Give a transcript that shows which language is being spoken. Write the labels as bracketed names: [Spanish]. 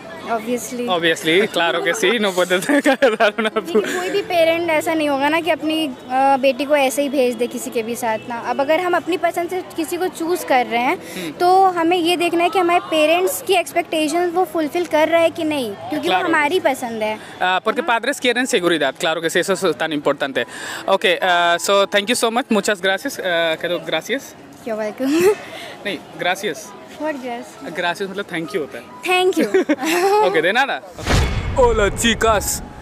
[English] Obviously, [Spanish] claro que sí, no puede dar una [Hindi] कोई भी parent ऐसा नहीं होगा ना कि अपनी बेटी को ऐसे ही भेज दे किसी के भी साथ ना. अब अगर हम अपनी पसंद से किसी को चूज कर रहे हैं तो हमें ये देखना है कि हमारे पेरेंट्स की एक्सपेक्टेशंस वो फुलफिल कर रहे हैं कि नहीं, क्योंकि वो हमारी पसंद है. [Spanish] Porque padres quieren seguridad, claro que sí, eso es tan importante. [English] Okay, so thank you so much, [Spanish] muchas gracias. Quiero gracias. [English] You're welcome. [Hindi] नहीं, [Spanish] gracias. Gracias. Gracias, [Hindi] मतलब [English] thank you [Hindi] होता है. [English] Thank you. [Spanish] Okay, de nada. Okay. Hola, chicas.